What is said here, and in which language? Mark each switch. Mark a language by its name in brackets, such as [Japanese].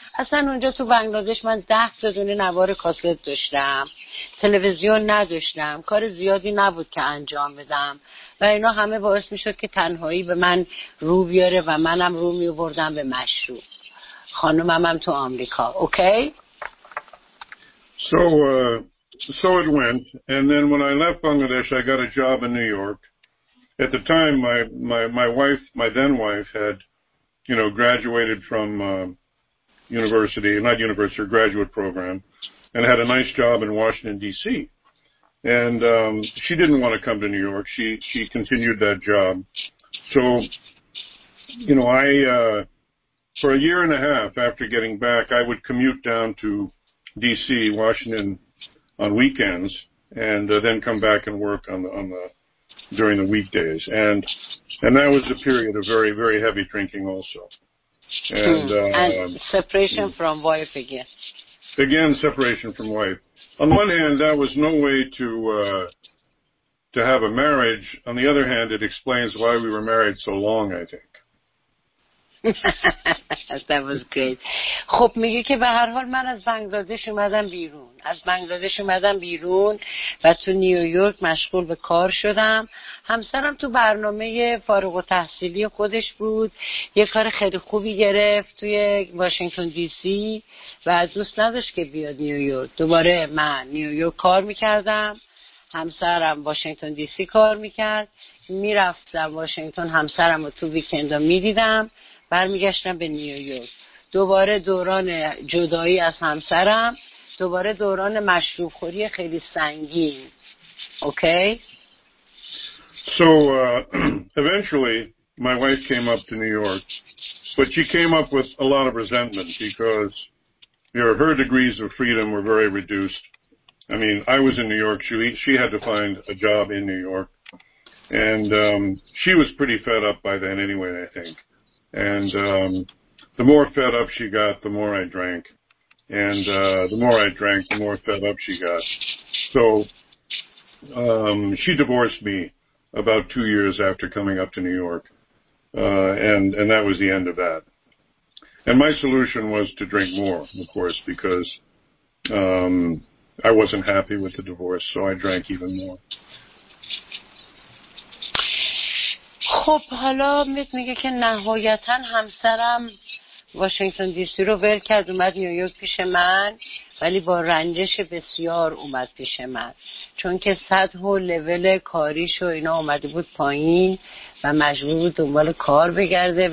[Persian] اصلا اونجا تو بنگلادش من 10 دونه نوار کاست داشتم، تلویزیون نداشتم، کار زیادی نبود که انجام بدم و اینا همه باعث میشد که تنهایی به من رو بیاره و منم رو میوردم به مشروب. خانومم هم تو آمریکا. اوکی؟ [English] So it went, and then when I left Bangladesh I got a job in New York. At the time my then wife had, you know, graduated from university, not university, graduate program, and had a nice job in Washington, D.C. And she didn't want to come to New York. She continued that job. So, you know, I for a year and a half after getting back, I would commute down to D.C., Washington, on weekends, and then come back and work during the weekdays. And that was a period of very, very heavy drinking also. And separation from wife again. Again, separation from wife. On one hand, that was no way to have a marriage. On the other hand, it explains why we were married so long, I think. That was great. [Persian] خب میگه که به هر حال من از بنگلادش اومدم بیرون. از بنگلادش اومدم بیرون و تو نیویورک مشغول به کار شدم. همسرم تو برنامه فارغ التحصیلی خودش بود. یه کار خیلی خوبی گرفت توی واشنگتن دی سی و دوست نداشت که بیاد نیویورک. دوباره من نیویورک کار میکردم. همسرم واشنگتن دی سی کار میکرد. میرفتم واشنگتن همسرم رو تو ویکند ها میدیدم. برمیگشتم به نیویورک. دوباره دوران جدایی از همسرم، دوباره دوران مشروب خوری خیلی سنگین. اوکی؟ [English] So eventually my wife came up to New York, but she came up with a lot of resentment because her degrees of freedom were very reduced. I mean, I was in New York, she had to find a job in New York. And she was pretty fed up by then anyway, I think. And the more fed up she got, the more I drank. And the more I drank, the more fed up she got. So she divorced me about 2 years after coming up to New York. And that was the end of that. And my solution was to drink more, of course, because I wasn't happy with the divorce, so I drank even more. [Persian] خب حالا میگه که نهایتا همسرم واشنگتن دی سی رو ول کرد اومد نیویورک پیش من، ولی با رنجش بسیار اومد پیش من، چون که سطح و لول کاریش و اینا اومده بود پایین و مجبور بود دنبال کار بگرده.